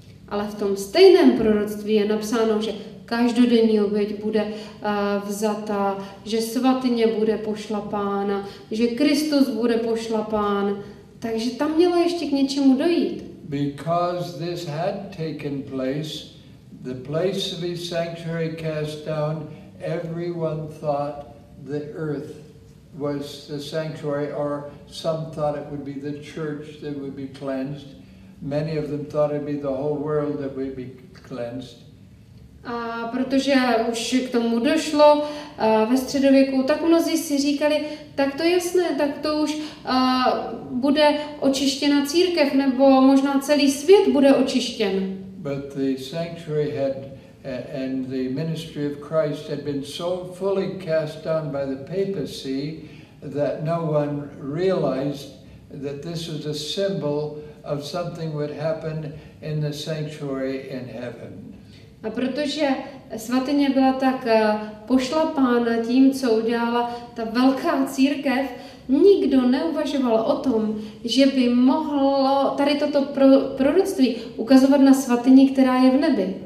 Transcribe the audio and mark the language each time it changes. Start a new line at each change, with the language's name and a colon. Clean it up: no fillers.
Czech: Ale v tom stejném proroctví je napsáno, že každodenní oběť bude vzata, že svatyně bude pošlapána, že Kristus bude pošlapán. Takže tam mělo ještě k něčemu dojít.
English: Because this had taken place, the place of his sanctuary cast down. Everyone thought the earth was the sanctuary, or some thought it would be the church that would be cleansed. Many of them thought it'd be the whole world that would be cleansed.
Czech: A protože už k tomu došlo ve středověku, tak mnozí si říkali, tak to jasné, tak to už bude očištěna církev, nebo možná celý svět bude očištěn.
English: But the sanctuary had and the ministry of Christ had been so fully cast down by the papacy that no one realized that this was a symbol of something would happen in the sanctuary in heaven.
Czech: A protože svatyně byla tak pošlapána tím, co udělala ta velká církev, nikdo neuvažoval o tom, že by mohlo tady toto proroctví ukazovat na svatyni, která je v nebi.